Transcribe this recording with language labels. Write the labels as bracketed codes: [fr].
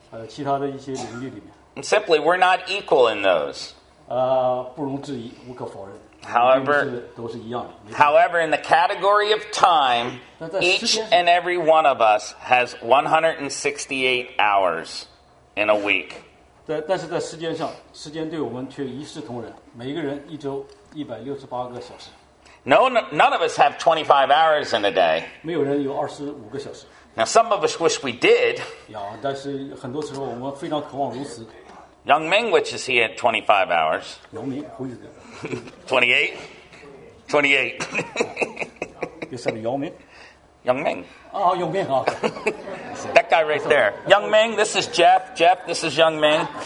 [zh] 其他的一些领域里面。 [en] And simply, we're not equal in those. [zh] 不容置疑，无可否认。 [en] However, in the category of time, each and every one of us has 168 hours in a week. [zh] 但是在时间上，时间对我们却一视同仁。每个人一周168个小时。 [en] No, none of us have 25 hours in a day. [zh] 没有人有25个小时。 [en] Now, some of us wish we did. [zh] 但是很多时候我们非常渴望如此。 [en] Young Ming, which is he at 25 hours? 28. You said Yao Ming? Young Ming. Oh, Yao Ming. That guy right there. Young Ming, this is Jeff. Jeff, this is Young Ming.